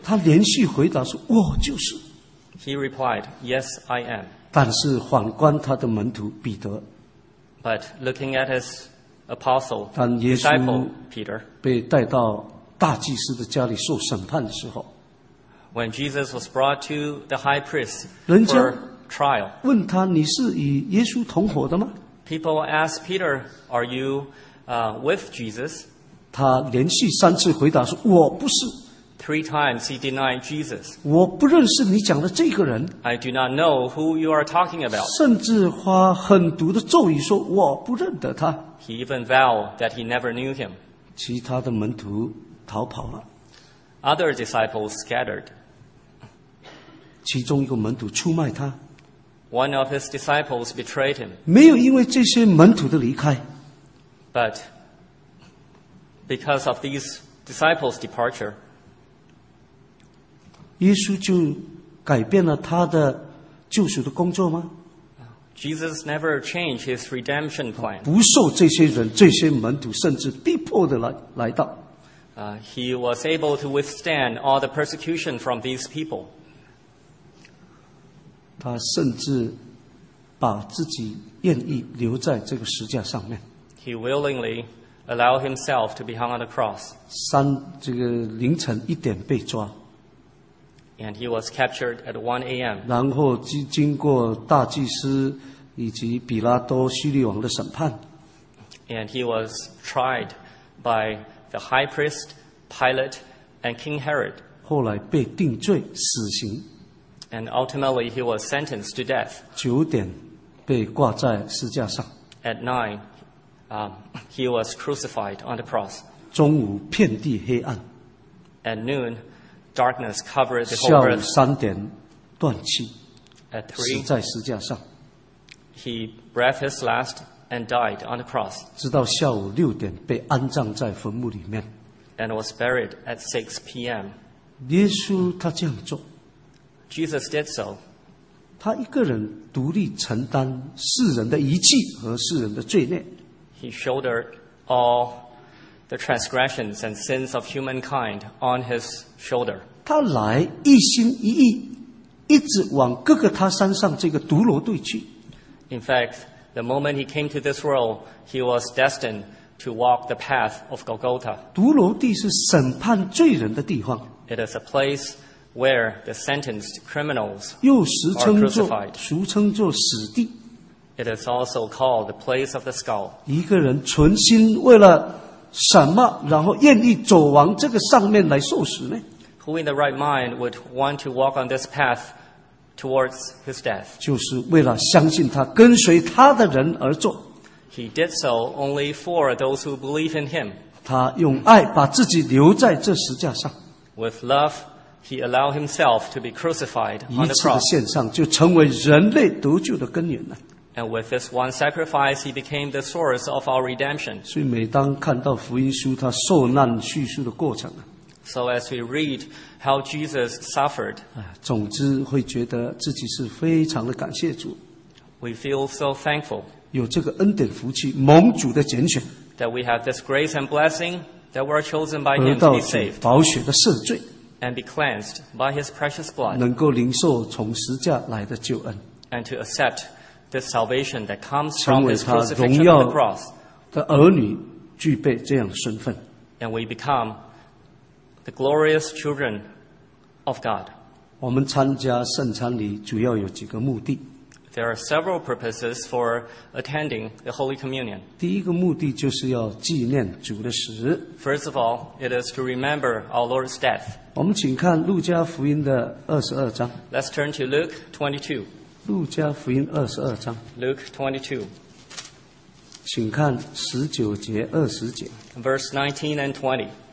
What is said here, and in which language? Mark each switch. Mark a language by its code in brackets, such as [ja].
[zh] 他连续回答说，我就是。 [en] He replied, yes, I am. [zh] 但是反观他的门徒彼得。 [en] But looking at his apostle, disciple Peter, [zh] 被带到大祭司的家里受审判的时候， [en] When Jesus was brought to the high priest for trial, [zh] 问他你是与耶稣同伙的吗？ [en] People asked Peter, are you with Jesus? [zh] 他连续三次回答说我不是。 [en] Three times he denied Jesus. [zh] 我不认识你讲的这个人。 [en] I do not know who you are talking about. [zh] 甚至发狠毒的咒语说我不认得他。 [en] He even vowed that he never knew him. [zh] 其他的门徒逃跑了。 [en] Other disciples scattered. [zh] 其中一个门徒出卖他。 [en] One of his disciples betrayed him. [zh] 没有因为这些门徒的离开。 [en] But because of these disciples' departure, [zh] 耶稣就改变了他的救赎的工作吗？ [en] Jesus never changed his redemption plan. [zh] 不受这些人、这些门徒甚至逼迫的来到。 [en] He was able to withstand all the persecution from these people. [zh] 他甚至把自己愿意留在这个十字架上面。 [en] He willingly allowed himself to be hung on the cross. [zh] 这个凌晨一点被抓。 [en] And he was captured at 1 a.m. [zh] 然后经过大祭司以及比拉多、希律王的审判。 [en] And he was tried by the high priest, Pilate, and King Herod. [zh] 后来被定罪死刑。 [en] And ultimately, he was sentenced to death. [zh] 九点被挂在十字架上。 [en] At 9, he was crucified on the cross. [zh] 中午遍地黑暗。 [en] At noon, darkness covered the whole earth. [zh] 下午三点断气。 [en] At 3, [zh] 死在十字架上。 [en] He breathed his last and died on the cross. [zh] 直到下午六点被安葬在坟墓里面。 [en] And was buried at 6 p.m. [zh] 耶稣他这样做。 [en] Jesus did so. [zh] 他一个人独立承担世人的遗弃和世人的罪孽。 [en] He shouldered all the transgressions and sins of humankind on his shoulder. [zh] 他来一心一意，一直往各个他山上这个独楼队去。 [en] In fact, the moment he came to this world, he was destined to walk the path of Golgotha. [zh] 独楼地是审判罪人的地方。 [en] It is a place where the sentenced criminals are crucified. [zh] 俗称作死地。 [en] It is also called the place of the skull. [zh] 一个人存心为了什么，然后愿意走往这个上面来受死呢？ [en] Who in the right mind would want to walk on this path towards his death? [zh] 就是为了相信他、跟随他的人而做。 [en] He did so only for those who believe in him. [zh] 他用爱把自己留在这十架上。 [en] With love, he allowed himself to be crucified on the cross. [zh] 一次的献上就成为人类得救的根源了。 [en] And with this one sacrifice, he became the source of our redemption. [zh] 所以每当看到福音书他受难叙述的过程， [en] So as we read how Jesus suffered, [zh] 总之会觉得自己是非常的感谢主。 [en] We feel so thankful. [zh] 有这个恩典福气，蒙主的拣选。 [en] That we have this grace and blessing, that we are chosen by him to be saved. [zh] 得到主宝血的赦罪。 [en] And be cleansed by his precious blood. [zh] 能够领受从十字架来的救恩。 [en] And to accept the salvation that comes from his crucifixion on the cross. [zh] 成为他荣耀的儿女具备这样的身份。 [en] And we become the glorious children of God. [zh] 我们参加圣餐礼主要有几个目的。 [en] There are several purposes for attending the Holy Communion. [zh] 第一个目的就是要纪念主的死。 [en] First of all, it is to remember our Lord's death. [zh] 我们请看路加福音的二十二章。 [en] Let's turn to Luke 22. [zh] 路加福音二十二章。 [en] Luke 22. [zh] 请看十九节二十节。 [en] Verse 19 and 20.